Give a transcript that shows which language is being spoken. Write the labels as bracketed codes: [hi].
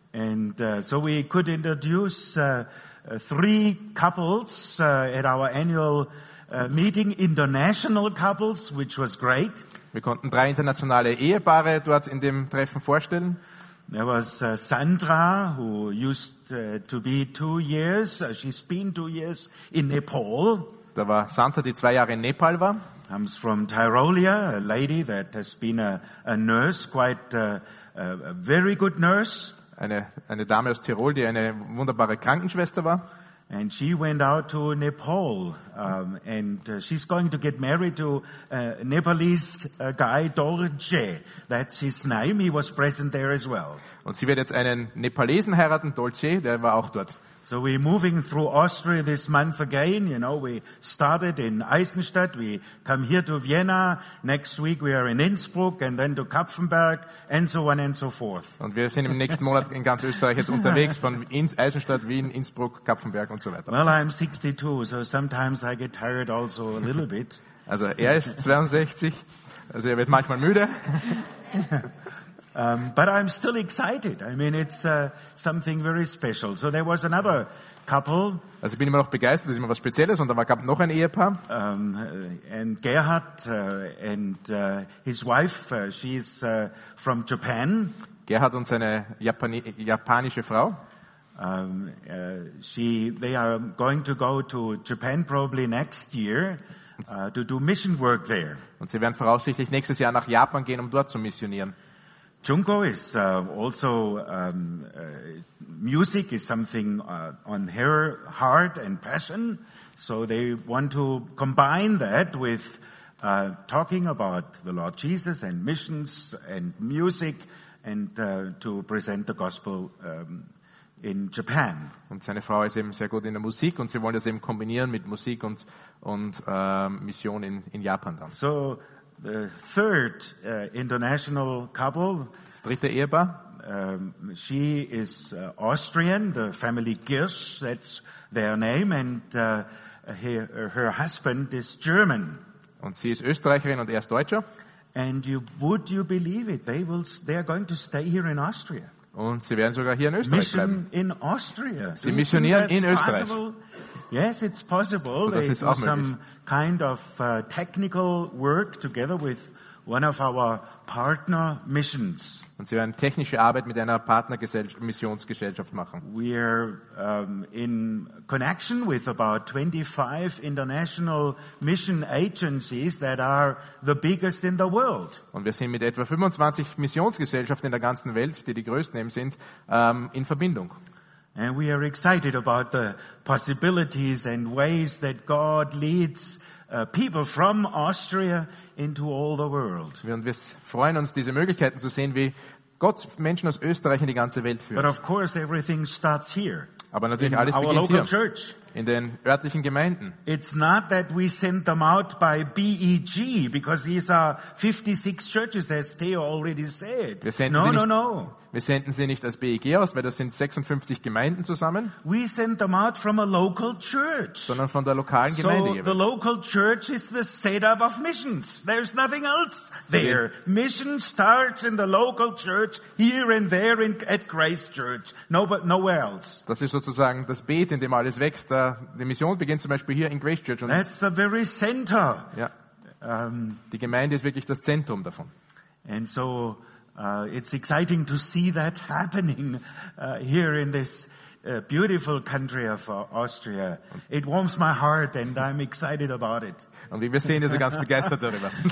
[en] And so we could introduce three couples at our annual meeting, international couples, which was great. [de] Wir konnten drei internationale Ehepaare dort in dem Treffen vorstellen. [en] There was Sandra, who used to be 2 years. She's been 2 years in Nepal. [de] Da war Sandra, die 2 Jahre in Nepal war. [en] Comes from Tyrolia, a lady that has been a nurse, quite a very good nurse. [de] Eine Dame aus Tirol, die eine wunderbare Krankenschwester war. [en] And she went out to Nepal, and she's going to get married to a Nepalese guy, Dorje. That's his name. He was present there as well. [de] Und sie wird jetzt einen Nepalesen heiraten, Dorje, der war auch dort. [en] So we're moving through Austria this month again. You know, we started in Eisenstadt. We come here to Vienna. Next week we are in Innsbruck and then to Kapfenberg and so on and so forth. [de] Und wir sind im nächsten Monat in ganz Österreich jetzt unterwegs von Eisenstadt, Wien, Innsbruck, Kapfenberg und so weiter. [en] Well, I'm 62, so sometimes I get tired also a little bit. [de] Also er ist 62, also er wird manchmal müde. [en] But I'm still excited. I mean, it's something very special. So there was another couple. [de] Also ich bin immer noch begeistert, das ist immer was Spezielles. Und da gab noch ein Ehepaar. [en] And Gerhard and his wife, she's from Japan. [de] Gerhard und seine japanische Frau. [en] They are going to go to Japan probably next year to do mission work there. [de] Und sie werden voraussichtlich nächstes Jahr nach Japan gehen, um dort zu missionieren. [en] Junko is also music is something on her heart and passion, so they want to combine that with talking about the Lord Jesus and missions and music and to present the gospel in Japan. [de] Und seine Frau ist eben sehr gut in der Musik und sie wollen das eben kombinieren mit Musik und Mission in Japan dann. [en] So the third international couple, [de] das dritte Ehepaar. [en] She is Austrian, the family Girsch, that's their name, and her husband is German. [de] Und sie ist Österreicherin und er ist Deutscher. [en] And would you believe it, they are going to stay here in Austria. [de] Und sie werden sogar hier in Österreich [en] mission [de] bleiben. [en] Mission in Austria. [de] Sie missionieren in Österreich. [en] Yes, it's possible. So they do some kind of technical work together with one of our partner missions. [de] Und sie werden technische Arbeit mit einer Partnermissionsgesellschaft machen. [en] We are in connection with about 25 international mission agencies that are the biggest in the world. [de] Und wir sind mit etwa 25 Missionsgesellschaften in der ganzen Welt, die größten eben sind, in Verbindung. [en] And we are excited about the possibilities and ways that God leads people from Austria into all the world. [de] Und wir freuen uns, diese Möglichkeiten zu sehen, wie Gott Menschen aus Österreich in die ganze Welt führt. [en] But of course everything starts here. [de] Aber natürlich alles [en] in our [de] beginnt [en] local [de] hier, [en] church. [de] In den örtlichen Gemeinden. [en] It's not that we send them out by BEG, because these are 56 churches, as Theo already said. No. [de] Wir senden sie nicht als BEG aus, weil das sind 56 Gemeinden zusammen. [en] We send them out from a local church. [de] Sondern von der lokalen Gemeinde. [en] So the local church is the setup of missions. There's nothing else there. Mission starts in the local church, here and there at Grace Church. No, but nowhere else. [de] Das ist sozusagen das Beet, in dem alles wächst. Die Mission beginnt zum Beispiel hier in Grace Church. [en] Und that's the very center. [de] Ja. Die Gemeinde ist wirklich das Zentrum davon. [en] And so... it's exciting to see that happening here in this beautiful country of Austria. It warms my heart and I'm excited about it. [de] Und wie wir sehen, ist er ganz begeistert darüber.